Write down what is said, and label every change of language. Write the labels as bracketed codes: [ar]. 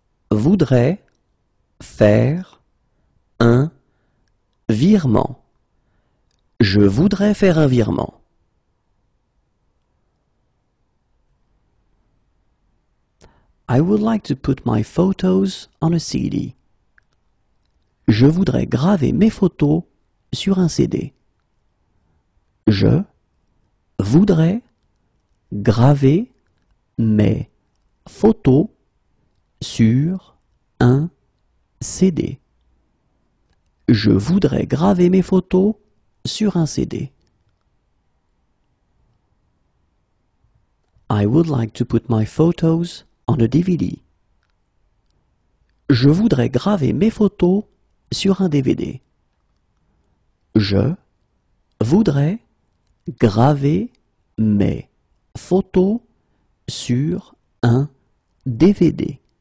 [fr] voudrais faire un virement. Je voudrais faire un virement. [en] I would like to put my photos on a CD. [fr] Je voudrais graver mes photos sur un CD. Je voudrais graver mes photos sur un CD. Je voudrais graver mes photos sur un CD. [en] I would like to put my photos on a DVD. [fr] Je voudrais graver mes photos sur un DVD. Je voudrais graver mes photos sur un DVD.